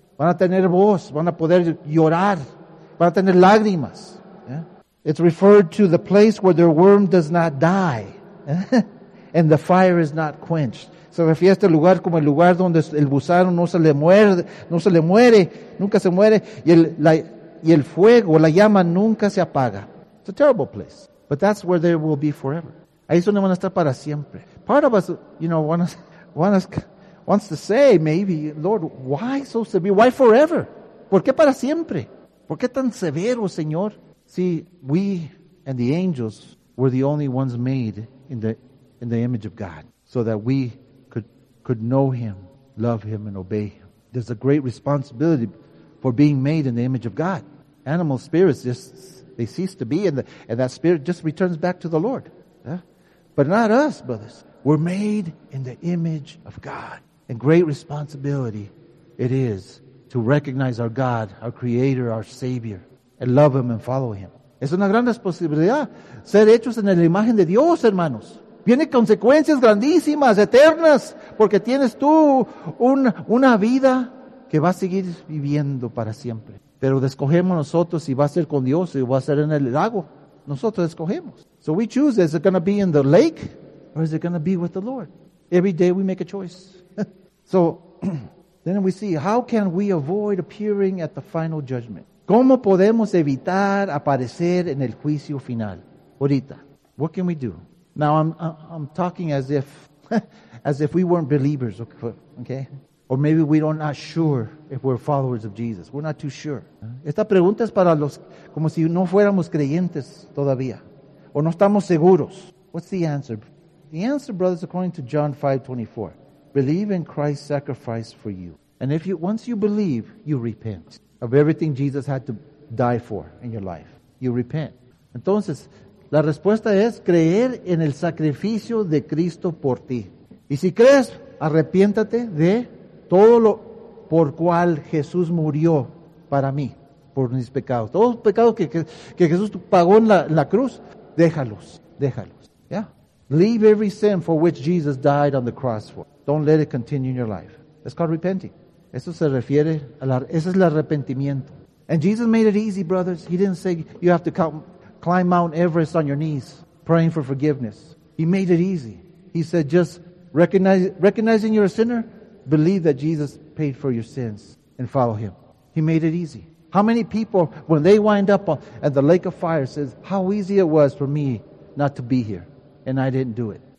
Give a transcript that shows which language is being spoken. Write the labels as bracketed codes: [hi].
[es] Van a tener voz, van a poder llorar, van a tener lágrimas. [en] It's referred to the place where their worm does not die and the fire is not quenched. [es] Se refiere a este lugar como el lugar donde el gusano no se le muere, nunca se muere, y el fuego, la llama nunca se apaga. [en] It's a terrible place, but that's where they will be forever. [es] Ahí es donde van a estar para siempre. [en] Part of us, you know, wants to say, maybe, Lord, why so severe? Why forever? [es] ¿Por qué para siempre? ¿Por qué tan severo, Señor? [en] See, we and the angels were the only ones made in the image of God, so that we could know Him, love Him, and obey Him. There's a great responsibility for being made in the image of God. Animal spirits they cease to be, and that spirit just returns back to the Lord. Yeah? But not us, brothers. We're made in the image of God. And great responsibility it is to recognize our God, our Creator, our Savior, and love Him and follow Him. [es] Es una gran responsabilidad ser hechos en la imagen de Dios, hermanos. Tiene consecuencias grandísimas, eternas, porque tienes tú una vida que va a seguir viviendo para siempre. Pero escogemos nosotros si va a ser con Dios o va a ser en el lago. Nosotros escogemos. [en] So we choose, is it going to be in the lake or is it going to be with the Lord? Every day we make a choice. So then we see, how can we avoid appearing at the final judgment? [es] ¿Cómo podemos evitar aparecer en el juicio final? Ahorita. [en] What can we do? Now I'm talking as if we weren't believers, okay? Or maybe we're not sure if we're followers of Jesus. We're not too sure. [es] Esta pregunta es para los como si no fuéramos creyentes todavía, o no estamos seguros. [en] What's the answer? The answer, brothers, according to John 5:24, believe in Christ's sacrifice for you, and if you once you believe, you repent of everything Jesus had to die for in your life. You repent. [es] Entonces, la respuesta es creer en el sacrificio de Cristo por ti. Y si crees, arrepiéntate de todo lo por cual Jesús murió para mí, por mis pecados. Todos los pecados que Jesús pagó en la cruz, déjalos. Yeah. [en] Leave every sin for which Jesus died on the cross for. Don't let it continue in your life. It's called repenting. [es] Eso se refiere a ese es el arrepentimiento. [en] And Jesus made it easy, brothers. He didn't say you have to climb Mount Everest on your knees praying for forgiveness. He made it easy. He said just recognizing you're a sinner, believe that Jesus paid for your sins and follow Him. He made it easy. How many people, when they wind up at the lake of fire, says how easy it was for me not to be here and I didn't do it.